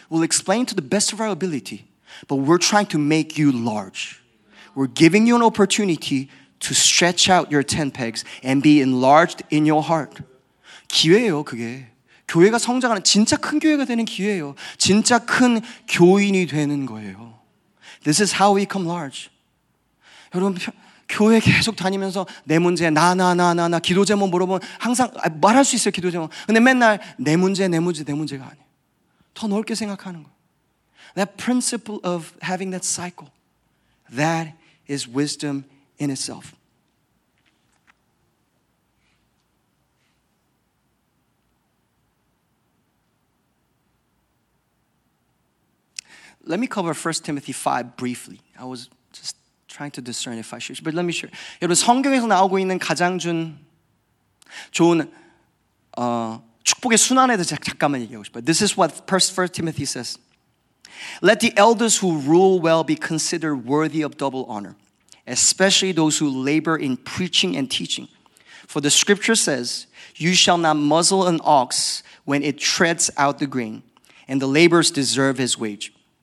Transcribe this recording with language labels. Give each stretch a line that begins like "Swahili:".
English: We'll explain to the best of our ability. But we're trying to make you large. We're giving you an opportunity to stretch out your 10 pegs and be enlarged in your heart.
Korean: 기회예요, 그게. 교회가 성장하는 진짜 큰 교회가 되는 기회예요. 진짜 큰 교인이 되는 거예요.
English: This is how we come large.
Korean: 여러분, 교회 계속 다니면서 내 문제 나 기도 제목 물어보면 항상 말할 수 있어요 기도 제목 근데 맨날 내 문제가 아니에요 더 넓게 생각하는 거
English: That principle of having that cycle that is wisdom in itself. 1 Timothy 5 briefly. I was just trying to discern if I should, but let me share.
Korean: 여러분, 성경에서 나오고 있는 가장 좋은 축복의 순환에 대해서 잠깐만 얘기하고 싶어요.
English: This is what 1 Timothy says. Let the elders who rule well be considered worthy of double honor, especially those who labor in preaching and teaching. For the scripture says, you shall not muzzle an ox when it treads out the grain, and the laborers deserve his wage.